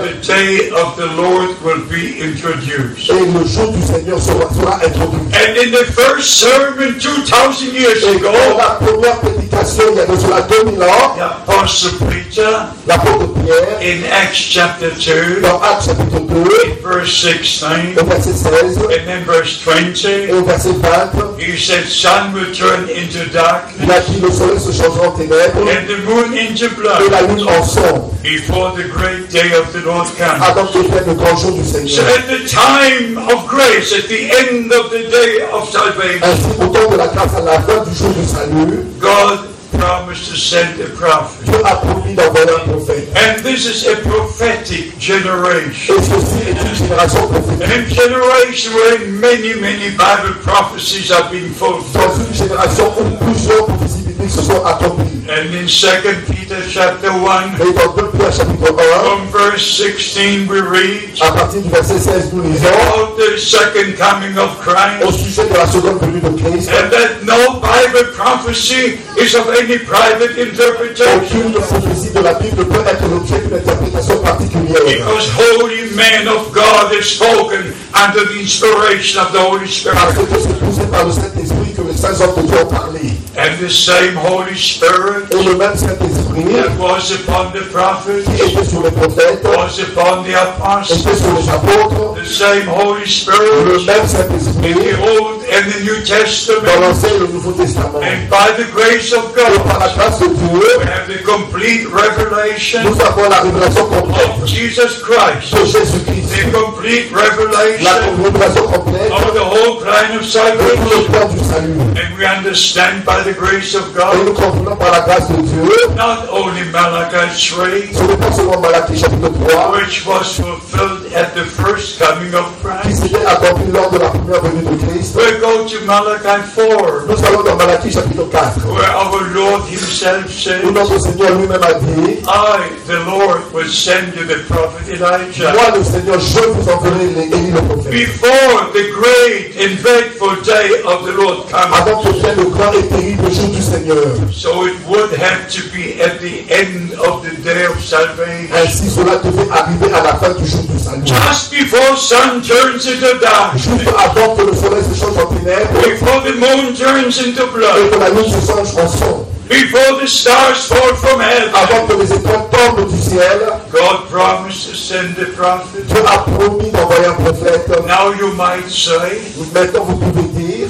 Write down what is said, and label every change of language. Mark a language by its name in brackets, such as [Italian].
[English] And the day of the Lord will be introduced. [French] Et le jour du Seigneur sera introduit. [English] And in the first sermon 2,000 years ago, [French] la première prédication il y a de cela 2000 ans, [English] the apostle Peter, [French] l'apôtre Pierre, [English] in Acts chapter 2, [French] dans Acts chapitre 2, 2, [English] verse 16, [French] au verset 16, [English] and then verse 20, [French] et au verset 20, [English] he said, sun will turn into darkness, [French] il a dit, le soleil se changera en ténèbres, [English] and the moon into blood, [French] et la lune en sang, [English] before the great day of the Lord comes. [French] Avant que vienne le grand jour du Seigneur. [English] So at the time of grace, at the end of the day of salvation, [French] ainsi, au temps de la grâce, à la fin du jour du salut, [English] God promised to send a prophet. [French] Dieu a promis d'envoyer un prophète. [English] And this is a prophetic generation. [French] Et ceci est une génération prophétique. [English] A generation where many, many Bible prophecies have been fulfilled. [French] Dans une génération où plusieurs prophéties bibliques se sont accomplies. [English] And in 2 Peter chapter 1, [French] et dans 2 Pierre chapitre 1, [English] from verse 16 we read, [French] à partir du verset 16 nous lisons, [English] about the second coming of Christ, [French] au sujet de la seconde venue de Christ, [English] and that no Bible prophecy is of any private interpretation. [French] Aucune prophétie de la Bible peut être l'objet d'une interprétation particulière. [English] Because holy men of God have spoken under the inspiration of the Holy Spirit. [French] Parce que c'est poussé par le Saint-Esprit que les saints hommes de Dieu ont parlé. [English] And the same Holy Spirit, [French] et le même Saint-Esprit, [English] that was upon the prophets, [French] qui était sur les prophètes, [English] was upon the apostles, [French] était sur les apôtres, [English] the same Holy Spirit, [French] le même Saint-Esprit, [English] in the Old and the New Testament, [French] dans l'Ancien et le Nouveau Testament. [English] And by the grace of God, [French] et par la grâce de Dieu, [English] we have the complete revelation, [French] nous avons la révélation complète, [English] of Jesus Christ, [French] de Jésus-Christ, [English] the complete revelation, [French] la révélation complète, [English] of the whole plan of salvation, [French] de tout le plan du salut. [English] And we understand by the grace of God, [French] et nous comprenons par la grâce de Dieu, [English] not only Malachi 3, [French] ce n'est pas seulement Malachi chapitre 3, [English] which was fulfilled at the first coming of Christ, [French] qui s'était accompli lors de la première venue de Christ. [English] We go to Malachi 4, [French] nous allons dans Malachi chapitre 4, [English] where our Lord himself said, [French] où notre Seigneur lui-même a dit, [English] I, the Lord, will send you the prophet Elijah. [French] Moi, le Seigneur, je vous enverrai l'Élie le prophète. [English] Before the great and dreadful day of the Lord comes. [French] Avant que vienne le grand et terrible jour du Seigneur. [English] So it would have to be at the end of the day of salvation. [French] Ainsi cela devait arriver à la fin du jour du salut. [English] Just before sun turns into dark. [French] Juste avant que le soleil se change en ténèbres. [English] Before the moon turns into blood. [French] Et que la lune se change en sang. [English] Before the stars fall from heaven. [French] Avant que les étoiles tombent du ciel. [English] God promised to send a prophet. [French] Dieu a promis d'envoyer un prophète. [English] Now you might say. [French] Maintenant vous pouvez dire.